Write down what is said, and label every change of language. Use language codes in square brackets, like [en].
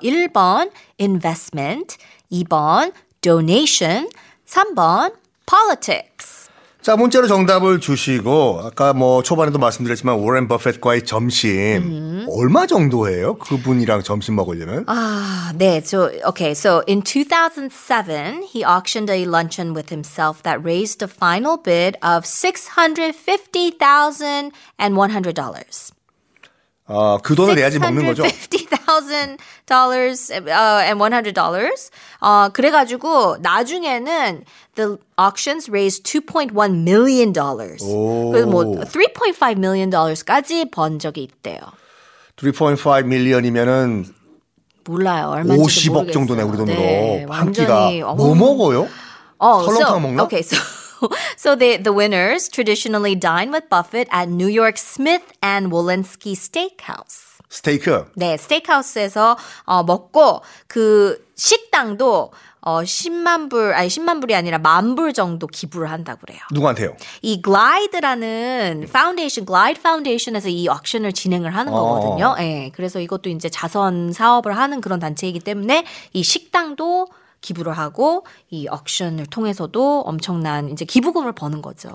[en] 1번 investment, 2번 donation, 3번 politics. [ko] 자, 문자로 정답을 주시고 아까 뭐 초반에도 말씀드렸지만 워렌 버핏과의 점심 얼마 정도예요? 그분이랑 점심 먹으려면? 아, 네. Okay. [en] So in 2007, he auctioned a luncheon with himself that raised a final bid of $650,100. [ko] 아, 그 돈을 내야지 먹는 거죠? [en] $650,000 and $100. [ko] 그래가지고 나중에는 [en] the auctions raised $2.1 million. [ko] 그래서 뭐 $3.5 million까지 번 적이 있대요. $3.5 million이면은 몰라요, 얼마인지 모르겠어요. 50억 정도네 우리 돈으로. 네, 한 끼가 뭐 먹어요? 설렁탕 먹나? [en] Okay, so. So the winners traditionally dine with Buffett at New York Smith and Wolensky Steakhouse. [ko] 스테이크. 네, 스테이크하우스에서 먹고 그 식당도 10만 불이 아니라 만 불 정도 기부를 한다고 그래요. 누구한테요? 이 Glide라는 파운데이션, Glide 파운데이션에서 이 옥션을 진행을 하는 거거든요. 예. 네, 그래서 이것도 이제 자선 사업을 하는 그런 단체이기 때문에 이 식당도 기부를 하고 이 옥션을 통해서도 엄청난 이제 기부금을 버는 거죠.